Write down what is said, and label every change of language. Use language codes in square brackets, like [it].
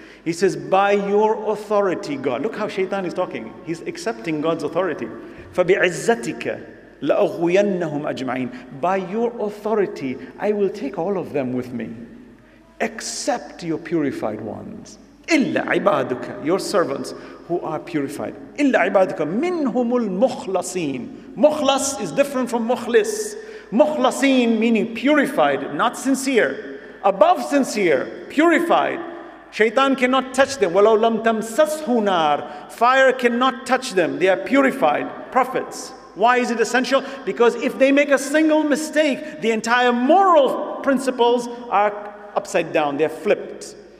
[en] He says, by your authority, God. Look how Shaitan is talking. He's accepting God's authority. [ar] فَبِعِزَّتِكَ لَأَغْوِيَنَّهُمْ أَجْمَعِينَ [en] By your authority, I will take all of them with me. Except your purified ones. [ar] إِلَّا عِبَادُكَ [en] Your servants who are purified. [ar] إِلَّا عِبَادُكَ مِنْهُمُ الْمُخْلَصِينَ مُخْلَص [en] is different from [ar] مُخْلِص. [en] مُخْلَصِين meaning purified, not sincere. Above sincere, purified. Shaitan cannot touch them. [ar] وَلَوْ لَمْ تَمْسَسْهُ نَارٍ [en] Fire cannot touch them. They are purified prophets. Why is it essential? Because if they make a single mistake, the entire moral principles are upside down. They're flipped.